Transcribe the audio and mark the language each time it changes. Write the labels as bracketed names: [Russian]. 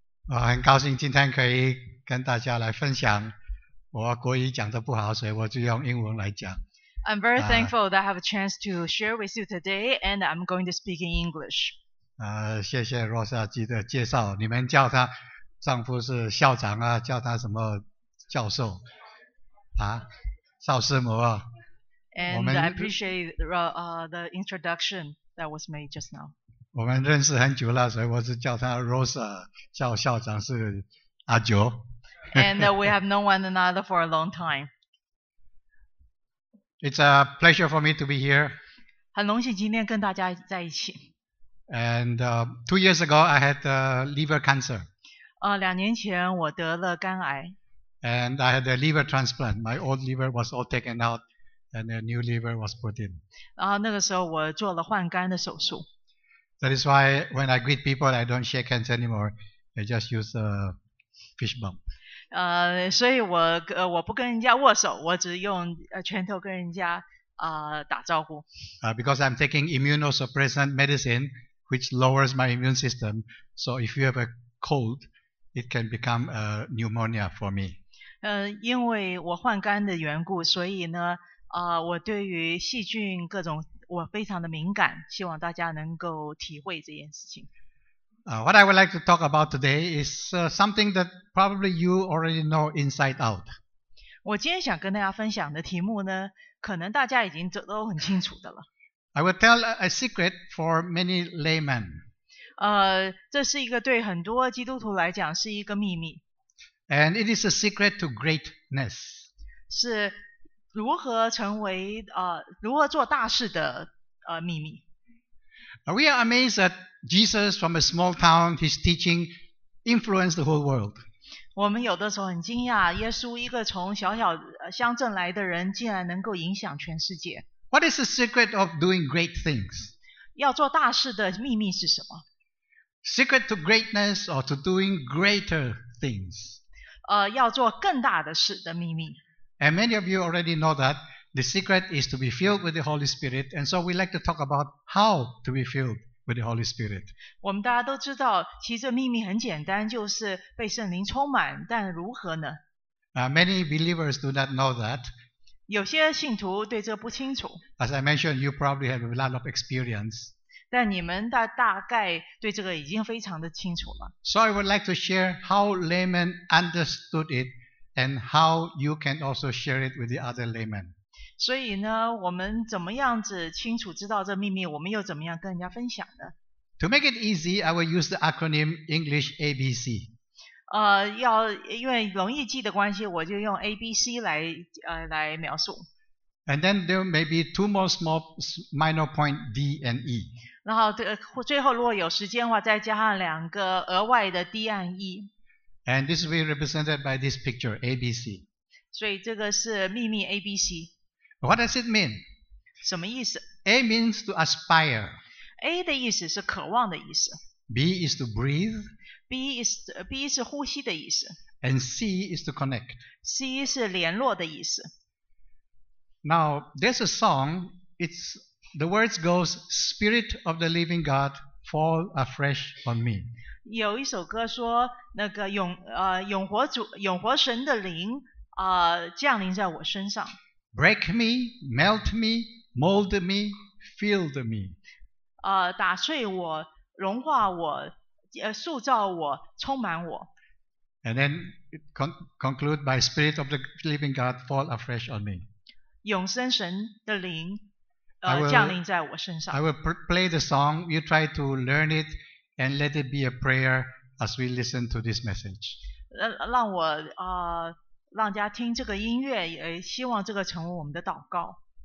[Chinese] 我很高兴今天可以跟大家来分享。我国语讲得不好，所以我就用英文来讲。 [English] I'm very thankful that I have a chance to share with you today, and I'm going to speak in English. [Chinese] 谢谢若夏姬的介绍。你们叫他丈夫是校长啊，叫他什么教授啊，少师母啊。 [English] And I appreciate the introduction that was made just now. [Chinese] 我们认识很久了，所以我是叫他 Rosa， 叫校长是阿九。 [English] And we have known one another for a long time. It's a pleasure for me to be here. [Chinese] 很荣幸今天跟大家在一起。 [English] And 2 years ago, I had liver cancer. [Chinese] 两年前我得了肝癌。 [English] And I had a liver transplant. My old liver was all taken out, and a new liver was put in. [Chinese] 那个时候我做了换肝的手术。 [English] That is why when I greet people, I don't shake hands anymore. I just use a fish bump. [Chinese] 所以我不跟人家握手，我只用拳头跟人家打招呼。 [English] Because I'm taking immunosuppressant medicine, which lowers my immune system. So if you have a cold, it can become a pneumonia for me. [Chinese] 因为我患肝的缘故，所以呢，我对于细菌各种我非常的敏感，希望大家能够体会这件事情。 [English] What I would like to talk about today is something that probably you already know inside out. [Chinese] 我今天想跟大家分享的题目呢，可能大家已经都很清楚的了。 [English] I will tell a secret for many laymen. [Chinese] 这是一个对很多基督徒来讲是一个秘密。 [English] And it is a secret to greatness. [Chinese] 是如何成为如何做大事的秘密。 [English] We are amazed that Jesus from a small town, his teaching influenced the whole world. [Chinese] 我们有的时候很惊讶，耶稣一个从小小乡镇来的人，竟然能够影响全世界。 [English] What is the secret of doing great things? [Chinese] 要做大事的秘密是什么？ [English] Secret to greatness or to doing greater things? [Chinese] 要做更大的事的秘密。 [English] And many of you already know that. The secret is to be filled with the Holy Spirit, and so we like to talk about how to be filled with the Holy Spirit. [Chinese] 我们大家都知道，其实秘密很简单，就是被圣灵充满。但如何呢？ [English] Many believers do not know that. [Chinese] 有些信徒对这不清楚。 [English] As I mentioned, you probably have a lot of experience. [Chinese] 但你们大概对这个已经非常的清楚了。 [English] So I would like to share how laymen understood it, and how you can also share it with the other laymen. [Chinese] 所以呢，我们怎么样子清楚知道这秘密，我们又怎么样跟人家分享呢？ [English] To make it easy, I will use the acronym English ABC. [Chinese] 要因为容易记的关系，我就用 ABC 来描述。 [English] And then there may be two more small minor points D and E. [Chinese] 然后最后如果有时间的话，再加上两个额外的 D and E. [English] And this will be represented by this picture ABC. [Chinese] 所以这个是秘密 ABC. [English] What does it mean? [Chinese] 什么意思？ [English] A means to aspire. [Chinese] A 的意思是渴望的意思。 [English] B is to breathe. [Chinese] B 是呼吸的意思。 [English] And C is to connect. [Chinese] C 是联络的意思。 [English] Now, there's a song. The words goes, Spirit of the living God, fall afresh on me. [Chinese] 有一首歌说，那个永活神的灵降临在我身上。 [English] Break me, melt me, mold me, fill me. [Chinese] 打碎我，融化我，塑造我，充满我。 [English] And then conclude by Spirit of the Living God fall afresh on me. [Chinese] 永生神的灵降临在我身上。 [English] I will play the song. You try to learn it and let it be a prayer as we listen to this message. [Chinese] 让我让家听这个音乐，也希望这个成为我们的祷告。